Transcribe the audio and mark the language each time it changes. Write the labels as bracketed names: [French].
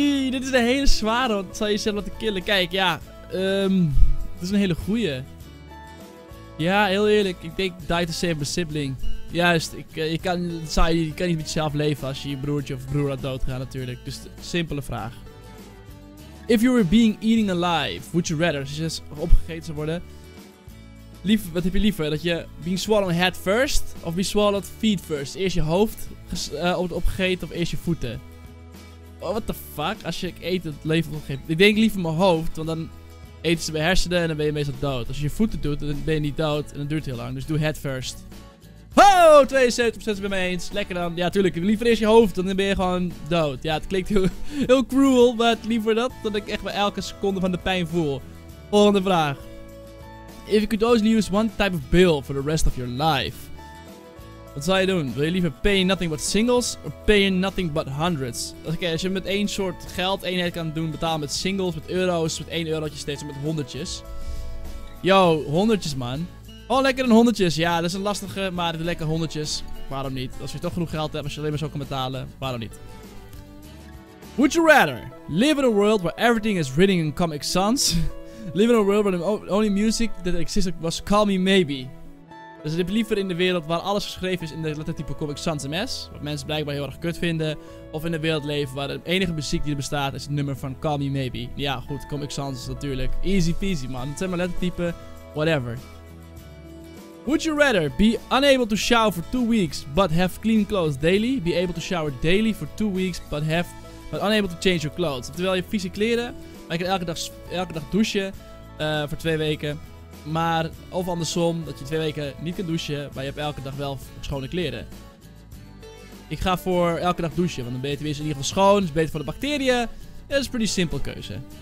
[Dutch] Dit is een hele zware, want zou je jezelf laten killen? Kijk, ja. Dit is een hele goeie. Ja, heel eerlijk. Ik denk, [English] die to save my sibling. [Dutch] Juist, je kan niet met jezelf leven als je je broertje of broer laat doodgaan natuurlijk. Dus simpele vraag. [English] If you were being eaten alive, would you rather? [Dutch] Als je opgegeten zou worden. Wat heb je liever? Dat je [English] being swallowed head first? Of being swallowed feet first? [Dutch] Eerst je hoofd opgegeten of eerst je voeten? [English] Oh, what the fuck? [Dutch] Als je eet, het leven opgegeten. Ik denk liever mijn hoofd, want dan eten ze mijn hersenen en dan ben je meestal dood. Als je je voeten doet, dan ben je niet dood en dat duurt heel lang. Dus doe [English] head first. [Dutch] Ho! 72% is het met mij eens. Lekker dan. Ja, tuurlijk. Liever eerst je hoofd, dan ben je gewoon dood. Ja, het klinkt heel cruel, maar liever dat, dat ik echt bij elke seconde van de pijn voel. Volgende vraag. [English] If you could only use one type of bill for the rest of your life, [Dutch] wat zou je doen? Wil je liever [English] paying nothing but singles, of paying nothing but hundreds? [Dutch] Oké, als je met één soort geld eenheid kan doen, betalen met singles, met euro's, met 1 eurotje steeds, of met honderdjes. Yo, honderdjes, man. Oh, lekker een honderdjes. Ja, dat is een lastige, maar lekker honderdjes. Waarom niet? Als je toch genoeg geld hebt, als je alleen maar zo kan betalen. Waarom niet? [English] Would you rather live in a world where everything is written in Comic Sans? Live in a world where the only music that existed was Call Me Maybe. [Dutch] Dus heb je liever in de wereld waar alles geschreven is in de lettertype Comic Sans MS. Wat mensen blijkbaar heel erg kut vinden. Of in de wereld leven waar de enige muziek die er bestaat is het nummer van Call Me Maybe. Ja, goed. Comic Sans is natuurlijk [English] easy peasy, [Dutch] man. Het zijn maar lettertypen. [English] Whatever. Would you rather be unable to shower for 2 weeks, but have clean clothes daily? Be able to shower daily for 2 weeks, but unable to change your clothes. [Dutch] Terwijl je vieze kleren, maar je kan elke dag douchen voor 2 weken. Maar, of andersom, dat je 2 weken niet kan douchen, maar je hebt elke dag wel schone kleren. Ik ga voor elke dag douchen, want dan ben je tenminste in ieder geval schoon, is beter voor de bacteriën. Ja, dat is een pretty simpel keuze.